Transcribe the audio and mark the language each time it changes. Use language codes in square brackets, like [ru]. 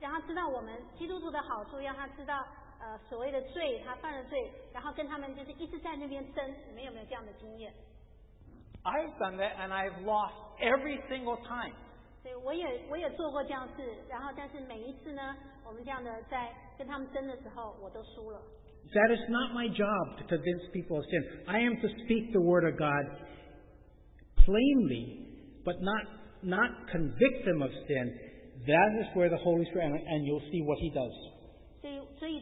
[zh] 你们有没有试过，就是对，尤其是基督徒，当你们对一个非基督徒的家人、朋友，你要跟他讲说，怎么样，做基督徒，要让他承认说，让他知道我们基督徒的好处，让他知道。 [en] I've done that and I've lost every single time. [zh] 对，我也做过这样事，然后但是每一次呢，我们这样的在跟他们争的时候，我都输了。 [en] That is not my job to convince people of sin. I am to speak the word of God plainly, but not convict them of sin. That is where the Holy Spirit, and you'll see what He does.